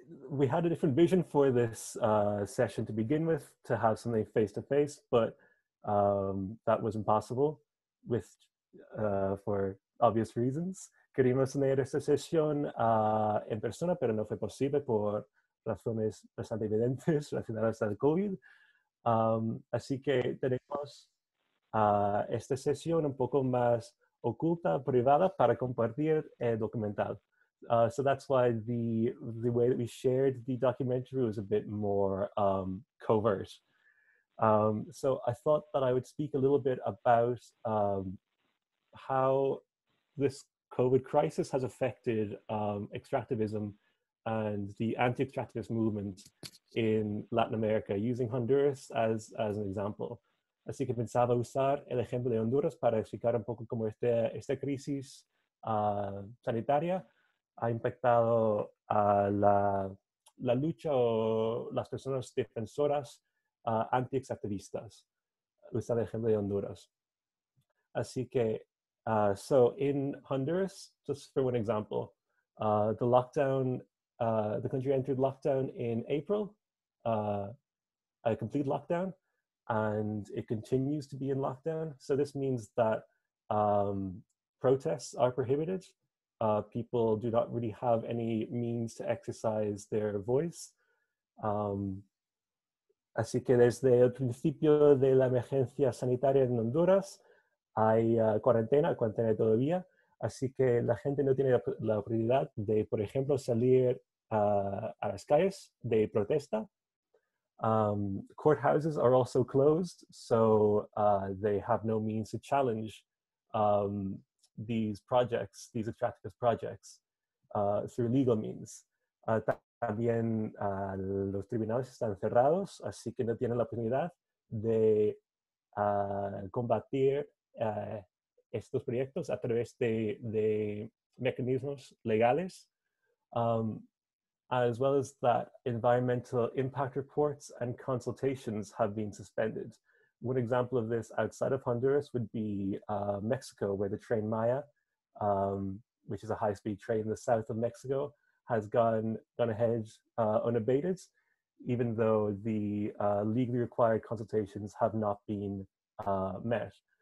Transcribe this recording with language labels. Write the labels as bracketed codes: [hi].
[en] We had a different vision for this session to begin with, to have something face-to-face, but that was impossible. For obvious reasons. [es] Queríamos tener esta sesión en persona, pero no fue posible por razones bastante evidentes relacionadas al COVID. Así que tenemos esta sesión un poco más oculta, privada, para compartir el documental. [en] So that's why the way that we shared the documentary was a bit more covert. So I thought that I would speak a little bit about how this COVID crisis has affected extractivism and the anti-extractivist movement in Latin America, using Honduras as an example. [es] Así que pensaba usar el ejemplo de Honduras para explicar un poco cómo esta crisis sanitaria ha impactado a la lucha o las personas defensoras anti-extractivistas, usando el ejemplo de Honduras. Así que, [en] so in Honduras, just for one example, the lockdown, the country entered lockdown in April, a complete lockdown, and it continues to be in lockdown. So this means that protests are prohibited. People do not really have any means to exercise their voice. [es] Así que desde el principio de la emergencia sanitaria en Honduras, hay cuarentena todavía. Así que la gente no tiene la oportunidad de, por ejemplo, salir a las calles de protesta. [en] Courthouses are also closed, so they have no means to challenge these extractivist projects, through legal means. [es] También los tribunales están cerrados, así que no tienen la oportunidad de combatir estos proyectos a través de mecanismos legales. [en] As well as that, environmental impact reports and consultations have been suspended. One example of this outside of Honduras would be Mexico, where the train Maya, which is a high-speed train in the south of Mexico, has gone ahead unabated, even though the legally required consultations have not been met.